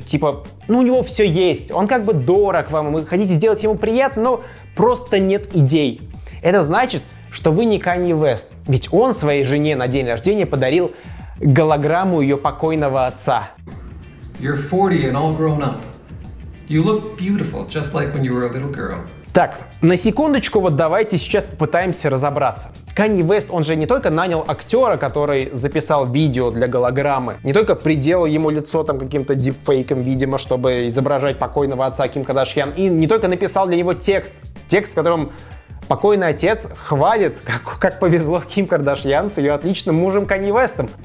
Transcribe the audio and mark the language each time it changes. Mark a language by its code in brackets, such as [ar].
[ru] Типа, ну у него все есть, он как бы дорог вам, вы хотите сделать ему приятно, но просто нет идей. Это значит, что вы не Kanye West, ведь он своей жене на день рождения подарил голограмму ее покойного отца. [en] You're 40 and all grown up. You look beautiful, just like when you were a little girl. [ru] Так, на секундочку, вот давайте сейчас попытаемся разобраться. Kanye West, он же не только нанял актера, который записал видео для голограммы, не только приделал ему лицо там каким-то дипфейком, видимо, чтобы изображать покойного отца Ким Кардашьян, и не только написал для него текст, в котором покойный отец хвалит, как повезло Ким Кардашьян с ее отличным мужем Kanye Westом.